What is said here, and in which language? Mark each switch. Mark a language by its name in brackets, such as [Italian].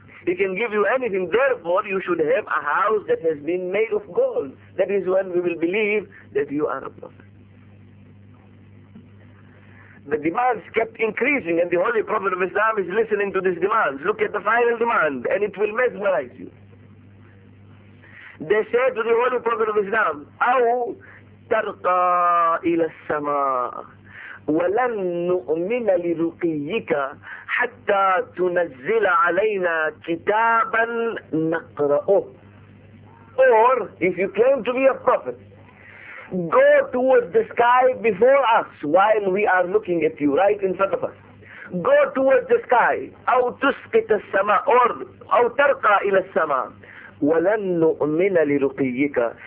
[English] He can give you anything. Therefore, you should have a house that has been made of gold. That is when we will believe that you are a prophet. The demands kept increasing, and the Holy Prophet of Islam is listening to these demands. Look at the final demand, and it will mesmerize you. They said to the Holy Prophet of Islam, [Arabic] أَوْ تَرْقَى إِلَى السَّمَاءِ وَلَنْ نُؤْمِنَ لِرُقِيِّكَ حَتَّى تُنَزِّلَ عَلَيْنَا كِتَابًا نَقْرَأُهُ. [English] Or, if you claim to be a prophet, go towards the sky before us while we are looking at you, right in front of us. Go towards the sky. [Arabic] أَوْ تُسْقِطَ السَّمَاءِ [English] or [Arabic] أَوْ تَرْقَى إِلَى السَّمَاءِ وَلَنْ نُؤْمِنَ لِرُقِيِّكَ.